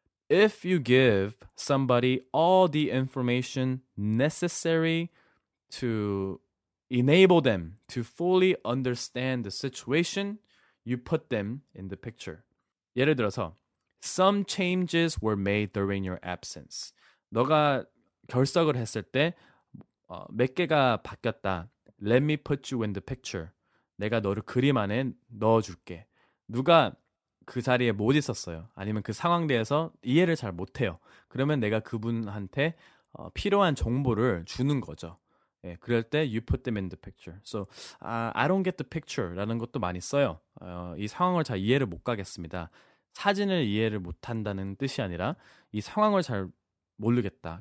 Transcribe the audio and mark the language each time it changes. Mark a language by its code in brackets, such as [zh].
[en] If you give somebody all the information necessary to enable them to fully understand the situation, you put them in the picture. [ko] 예를 들어서, [en] some changes were made during your absence. [ko] 너가 결석을 했을 때 몇 개가 바뀌었다. [en] Let me put you in the picture. [ko] 내가 너를 그림 안에 넣어줄게. 누가 그 자리에 못 있었어요. 아니면 그 상황에 대해서 이해를 잘 못해요. 그러면 내가 그분한테 필요한 정보를 주는 거죠. 예, 그럴 때 [en] you put them in the picture. So I don't get the picture [ko] 라는 것도 많이 써요. 이 상황을 잘 이해를 못 가겠습니다. 사진을 이해를 못한다는 뜻이 아니라 이 상황을 잘 모르겠다.